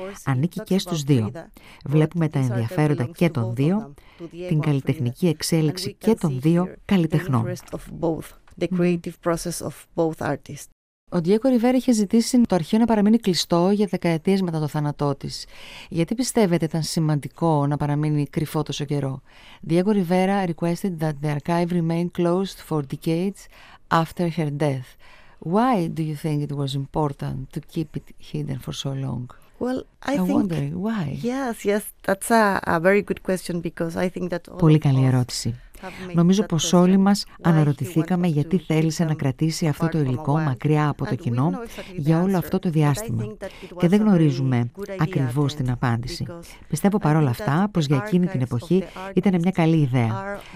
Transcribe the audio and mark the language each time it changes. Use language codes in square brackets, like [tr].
[el] Ανήκει και στους δύο. Βλέπουμε τα ενδιαφέροντα και των δύο, την καλλιτεχνική εξέλιξη και των δύο καλλιτεχνών. [en] The creative process of both artists. [el] Ο Ντιέγκο Ριβέρα είχε ζητήσει το αρχείο να παραμείνει κλειστό για δεκαετίες μετά το θάνατό της. Γιατί πιστεύετε ήταν σημαντικό να παραμείνει κρυφό τόσο καιρό? [en] Ντιέγκο Ριβέρα requested that the archive remain closed for decades after her death. Why do you think it was important to keep it hidden for so long? I wonder why. Yes, that's a very good question because I think that. [el] Πολύ καλή ερώτηση. Νομίζω πως όλοι μας αναρωτηθήκαμε γιατί θέλησε να κρατήσει αυτό το υλικό μακριά από το κοινό για όλο αυτό το διάστημα. Και δεν γνωρίζουμε ακριβώς την απάντηση. Πιστεύω παρόλα αυτά πως για εκείνη την εποχή ήταν μια καλή ιδέα.